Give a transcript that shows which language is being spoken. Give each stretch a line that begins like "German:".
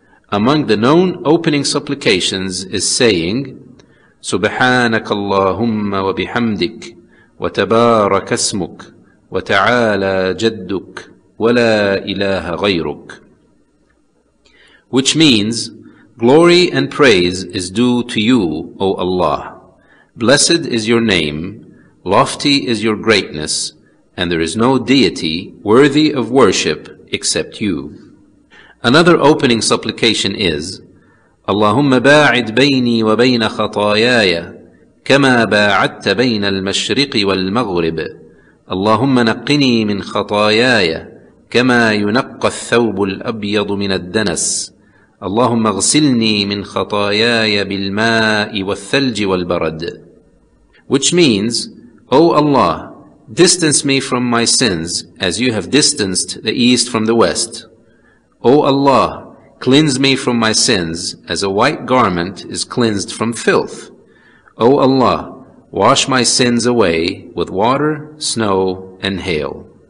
English: Among the known opening supplications is saying,
Arabic: سبحانك اللهم وبحمدك وتبارك اسمك وتعالى جدك ولا إله غيرك,
English: which means, glory and praise is due to you, O Allah. Blessed is your name, lofty is your greatness, and there is no deity worthy of worship except you. Another opening supplication is,
Arabic: اللهم باعد بيني وبين خطاياي كما باعدت بين المشرق والمغرب اللهم نقني من خطاياي كما ينقى الثوب الأبيض من الدنس اللهم اغسلني من خطاياي بالماء والثلج والبرد.
English: Which means, O Allah, distance me from my sins as you have distanced the east from the west. O Allah, cleanse me from my sins as a white garment is cleansed from filth. O Allah, wash my sins away with water, snow, and hail.